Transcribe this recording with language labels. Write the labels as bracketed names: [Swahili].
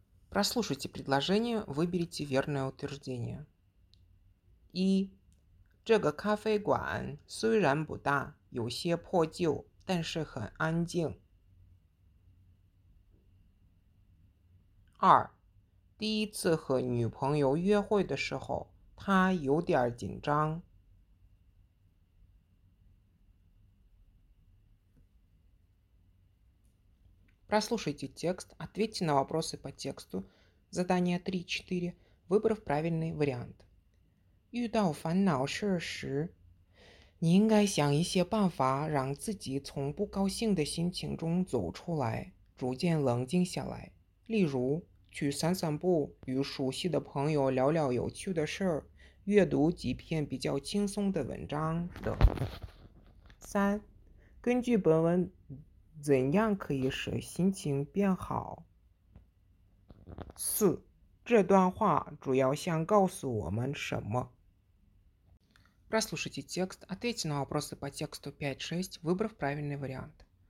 [Russian] Прослушайте предложение, выберите верное утверждение. [Chinese] 一, 这个咖啡馆虽然不大，有些破旧，但是很安静。二, 第一次和女朋友约会的时候，她有点紧张。 [Russian] Прослушайте текст, ответьте на вопросы по тексту, задание 3-4, выбрав правильный вариант. [Chinese] 遇到烦恼时时, 你应该想一些办法让自己从不高兴的心情中走出来，逐渐冷静下来。例如，去散散步，与熟悉的朋友聊聊有趣的事儿，阅读几篇比较轻松的文章等。 3. 根据本文，怎样可以使心情变好？ 4. 这段话主要想告诉我们什么？ [Russian] Прослушайте текст, ответьте на вопросы по тексту 5-6, выбрав правильный вариант.